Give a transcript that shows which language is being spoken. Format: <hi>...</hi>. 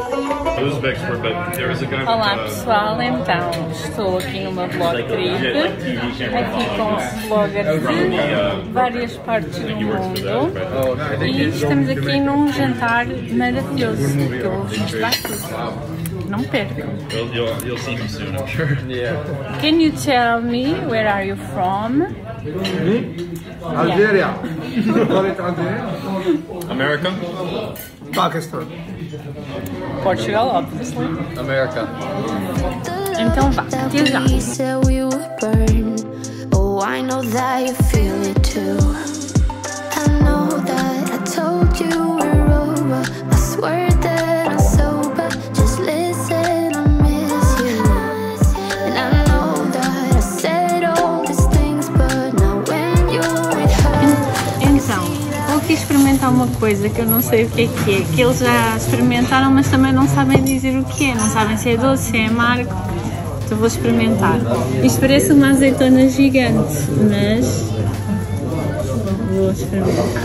<pt>Olá pessoal, então estou aqui numa blog trip, aqui com bloggers de várias partes do mundo e estamos aqui num jantar maravilhoso que eu vou mostrar tudo. Não percam.</pt> <en>You'll see me soon, I'm sure. Yeah. Can you tell me where are you from? Me? Algeria. What is Algeria? America? Pakistan. Portugal, obviously. America.</en> <pt>Então vá.</pt> <en>Till now. He said we would burn. Oh, I know that you feel it too. I know that I told you we're over. I swear that I'm sober. Just listen, I miss you. And I know that I said all these things, but now when you're with her.</en> <pt>Então, vou experimentar uma coisa que eu não sei o que é, que eles já experimentaram, mas também não sabem dizer o que é, não sabem se é doce, se é amargo, então vou experimentar. Isto parece uma azeitona gigante, mas vou experimentar.</pt>